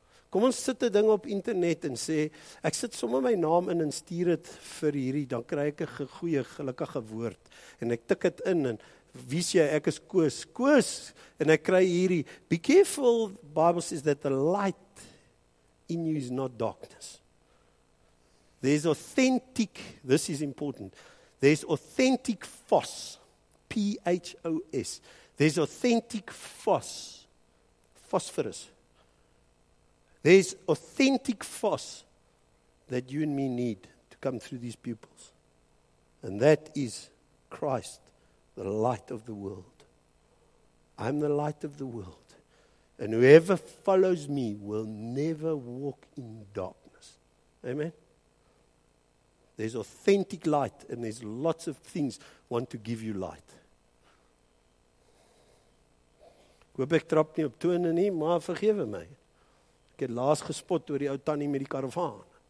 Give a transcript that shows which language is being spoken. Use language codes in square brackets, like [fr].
[af] Kom ons sit 'n ding op internet en sê, ek sit sommer my naam in en stuur dit vir hierdie, dan kry ek 'n goeie, gelukkige woord. En ek tik dit in en wie sê jy, ek is Koos. Koos! En ek kry hierdie. [en] Be careful, Bible says that the light in you is not darkness. There's authentic, this is important, there's authentic phos, P-H-O-S. There's authentic phos, phosphorus. There's authentic phos that you and me need to come through these pupils. And that is Christ, the light of the world. I'm the light of the world. And whoever follows me will never walk in darkness. Amen. There's authentic light, and there's lots of things want to give you light. [af] Ek hoop ek trap nie op tone nie, maar vergewe my. Ek het laas gespot oor die ou tannie met die karavaan.